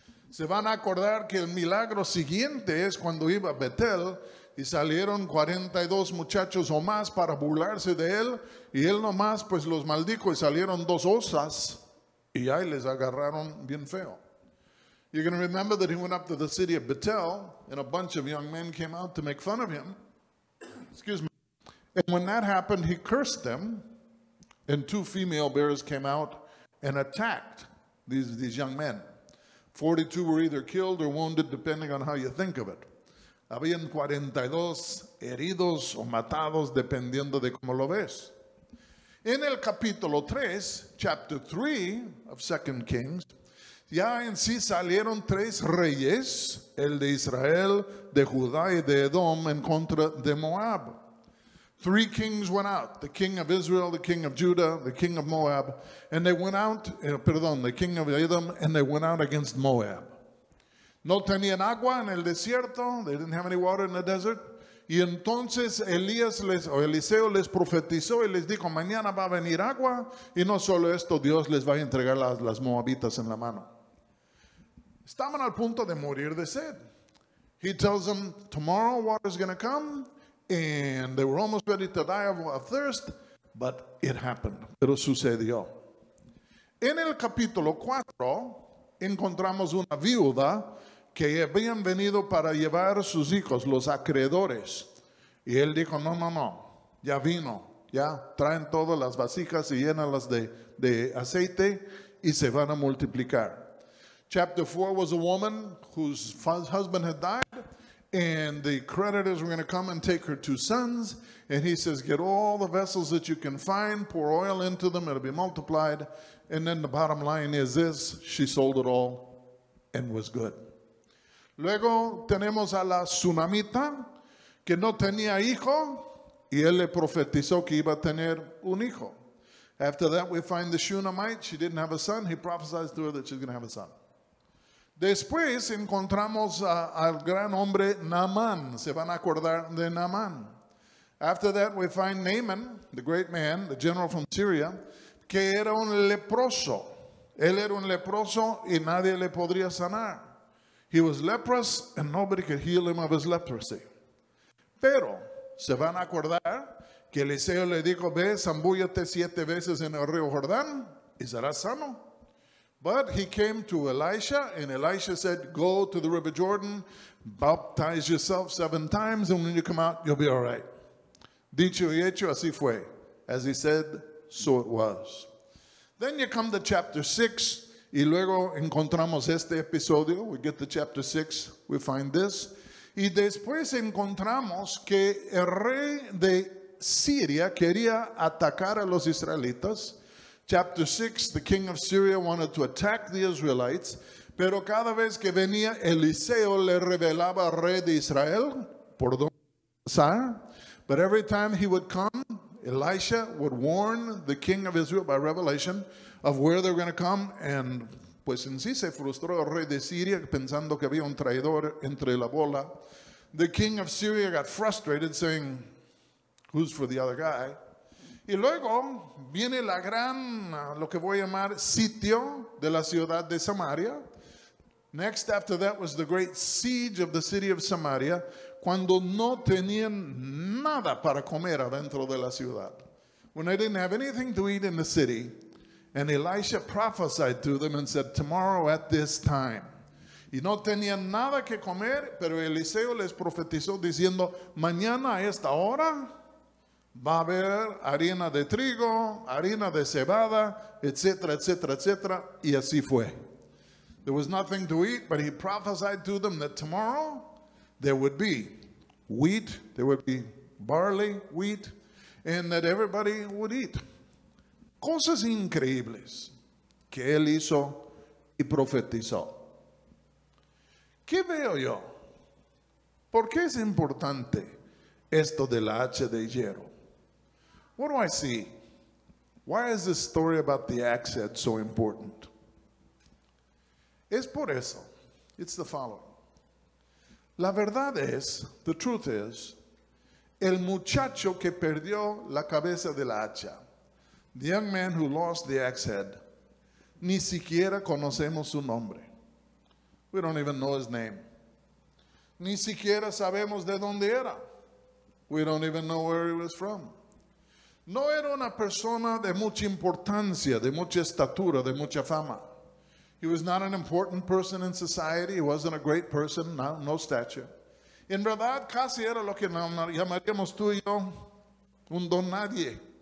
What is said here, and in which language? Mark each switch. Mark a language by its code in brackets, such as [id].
[es] Se van a acordar que el milagro siguiente es cuando iba a Betel y salieron 42 muchachos o más para burlarse de él. Y él nomás pues los maldijo y salieron dos osas. Y ahí les agarraron bien feo. [en] You're going to remember that he went up to the city of Bethel and a bunch of young men came out to make fun of him. Excuse me. And when that happened, he cursed them and two female bears came out and attacked these young men. 42 were either killed or wounded, depending on how you think of it. [es] Habían 42 heridos o matados, dependiendo de cómo lo ves. En el capítulo 3, [en] chapter 3 of 2 Kings, [es] ya en sí salieron tres reyes, el de Israel, de Judá y de Edom, en contra de Moab. [en] Three kings went out, the king of Israel, the king of Judah, the king of Moab, and they went out, the king of Edom, and they went out against Moab. [es] No tenían agua en el desierto, [en] they didn't have any water in the desert. [es] Y entonces Eliseo les profetizó y les dijo, mañana va a venir agua. Y no solo esto, Dios les va a entregar las moabitas en la mano. Estaban al punto de morir de sed. [en] He tells them, tomorrow water is going to come. And they were almost ready to die of thirst. But it happened. [es] Pero sucedió. En el capítulo 4, encontramos una viuda que habían venido para llevar sus hijos, los acreedores. Y él dijo, no, ya vino, ya traen todas las vasijas y llénalas de aceite y se van a multiplicar. [en] Chapter 4 was a woman whose husband had died and the creditors were going to come and take her two sons. And he says, get all the vessels that you can find, pour oil into them, it'll be multiplied. And then the bottom line is this, she sold it all and was good. [es] Luego tenemos a la tsunamita que no tenía hijo y él le profetizó que iba a tener un hijo. [en] After that we find the Shunammite, she didn't have a son, he prophesied to her that she's going to have a son. [es] Después encontramos al gran hombre Naamán, se van a acordar de Naamán. [en] After that we find Naaman, the great man, the general from Syria, [es] que era un leproso. Él era un leproso y nadie le podría sanar. [en] He was leprous and nobody could heal him of his leprosy. [es] Pero, se van a acordar que Eliseo le dijo, ve, zambúllate siete veces en el río Jordán y serás sano. [en] But he came to Elisha and Elisha said, go to the River Jordan, baptize yourself seven times and when you come out, you'll be all right. [es] Dicho y hecho, así fue. [en] As he said, so it was. Then you come to chapter 6. [es] Y luego encontramos este episodio. [en] We get to chapter 6. We find this. [es] Y después encontramos que el rey de Siria quería atacar a los israelitas. [en] Chapter 6, the king of Syria wanted to attack the Israelites. [es] Pero cada vez que venía Eliseo le revelaba al rey de Israel por dónde pasar. [en] But every time he would come, Elisha would warn the king of Israel by revelation of where they're going to come, and [es] pues en sí se frustró el rey de Siria pensando que había un traidor entre la bola. [en] The king of Syria got frustrated saying, who's for the other guy? [es] Y luego viene la gran, lo que voy a llamar sitio de la ciudad de Samaria. [en] Next after that was the great siege of the city of Samaria, [es] cuando no tenían nada para comer adentro de la ciudad. [en] When they didn't have anything to eat in the city, and Elisha prophesied to them and said, tomorrow at this time. [es] Y no tenían nada que comer, pero Eliseo les profetizó diciendo, mañana a esta hora, Va a haber harina de trigo, harina de cebada, etcétera, etcétera, etcétera. Y así fue. [en] There was nothing to eat, but he prophesied to them that tomorrow there would be wheat, there would be barley, wheat, and that everybody would eat. [es] Cosas increíbles que él hizo y profetizó. ¿Qué veo yo? ¿Por qué es importante esto de la hacha de hierro? [en] What do I see? Why is this story about the axe head so important? [es] Es por eso. [en] It's the following. [es] La verdad es, [en] the truth is, [es] el muchacho que perdió la cabeza de la hacha, [en] the young man who lost the axe head, [es] ni siquiera conocemos su nombre. [en] We don't even know his name. [es] Ni siquiera sabemos de dónde era. [en] We don't even know where he was from. [es] No era una persona de mucha importancia, de mucha estatura, de mucha fama. [en] He was not an important person in society. He wasn't a great person, no stature. [es] En verdad, casi era lo que llamaríamos tú y yo un don nadie.